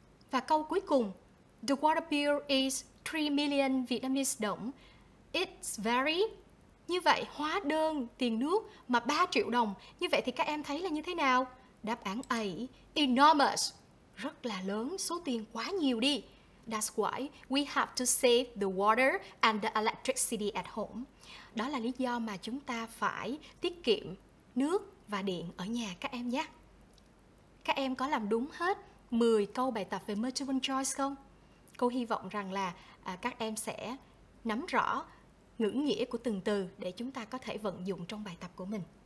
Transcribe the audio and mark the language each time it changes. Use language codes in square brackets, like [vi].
[vi] Và câu cuối cùng, [en] the water bill is 3 million Vietnamese đồng. It's very. [vi] Như vậy hóa đơn tiền nước mà 3 triệu đồng. Như vậy thì các em thấy là như thế nào? Đáp án A, enormous. Rất là lớn, số tiền quá nhiều đi. [en] That's why we have to save the water and the electricity at home. [vi] Đó là lý do mà chúng ta phải tiết kiệm nước và điện ở nhà các em nhé. Các em có làm đúng hết 10 câu bài tập về multiple choice không? Cô hy vọng rằng là các em sẽ nắm rõ ngữ nghĩa của từng từ để chúng ta có thể vận dụng trong bài tập của mình.